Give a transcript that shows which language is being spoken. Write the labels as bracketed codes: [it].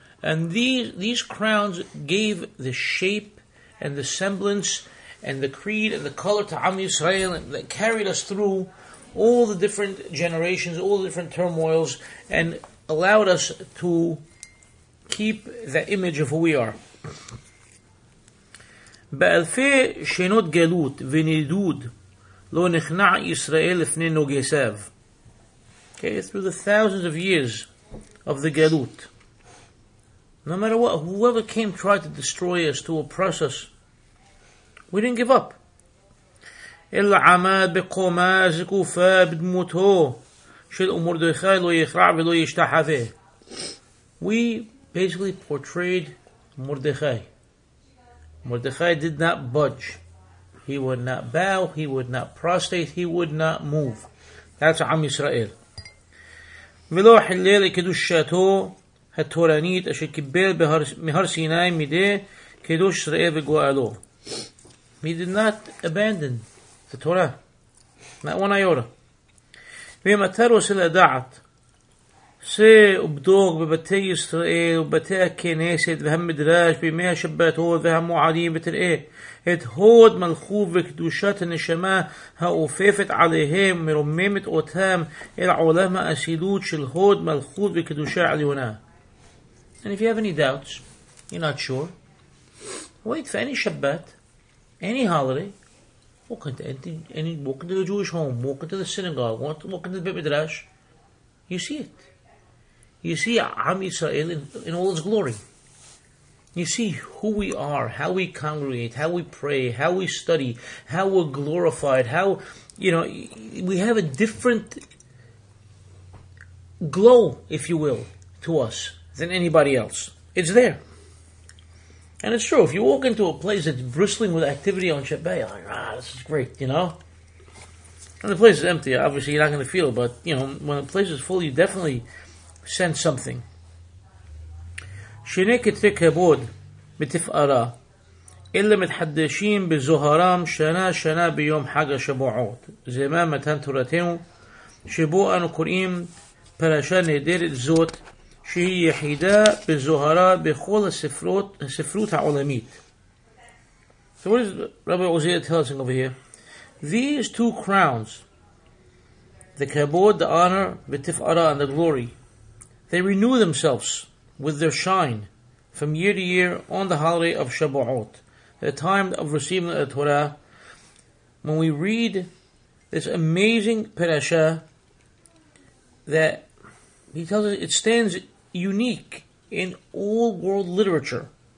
[en] And these crowns gave the shape and the semblance and the creed and the color to Am Yisrael that carried us through all the different generations, all the different turmoils, and allowed us to keep the image of who we are. [he] באלפי שנות גלות ונידוד לא נכנע ישראל לפני נוגסיו. [en] Okay, through the thousands of years of the גלות. No matter what, whoever came tried to destroy us, to oppress us, we didn't give up. [he] אלא עמד בקומה זקופה בדמותו של מרדכי לא יכרע ולא ישתחווה. [en] We basically portrayed Mordechai. Mordechai did not budge. He would not bow, he would not prostrate, he would not move. That's Am Yisrael. [he] ולא חילל לקדושתו התורנית אשר קיבל מהר סיני מידי קדוש ישראל וגואלו. [en] He did not abandon the Torah. Not one iota. [he] ואם אתה רוצה לדעת, שא ובדוק בבתי ישראל ובבתי הכנסת והמדרש בימי השבתות והמועדים ותראה את הוד מלכות וקדושת הנשמה האופפת עליהם מרוממת אותם אל עולם האסילות של הוד מלכות וקדושה עליונה. [en] And if you have any doubts, you're not sure, wait for any Shabbat, any holiday, walk into the Jewish home, walk into the synagogue, walk into the Beit Midrash, you see it. You see Am Yisrael in all its glory. You see who we are, how we congregate, how we pray, how we study, how we're glorified, how, you know, we have a different glow, if you will, to us than anybody else. It's there. And it's true. If you walk into a place that's bristling with activity on Shabbat, you're like, ah, this is great, you know. And the place is empty. Obviously, you're not going to feel it, but, you know, when the place is full, you definitely send something. [he] שני כתרי כבוד בתפארה אלה מתחדשים בזוהרם שנה שנה ביום חג השבועות. זה מה מתן תורתנו שבו אנו קוראים פרשה נהדרת זאת שהיא יחידה בזוהרה בכל הספרות העולמית. [en] So what is Rabbi Ouziel telling us over here? These two crowns, the kabod, the honor, בתפארה, and the glory, they renew themselves with their shine from year to year on the holiday of Shabu'ot, the time of receiving the Torah, when we read this amazing parasha that he tells us it stands unique in all world literature.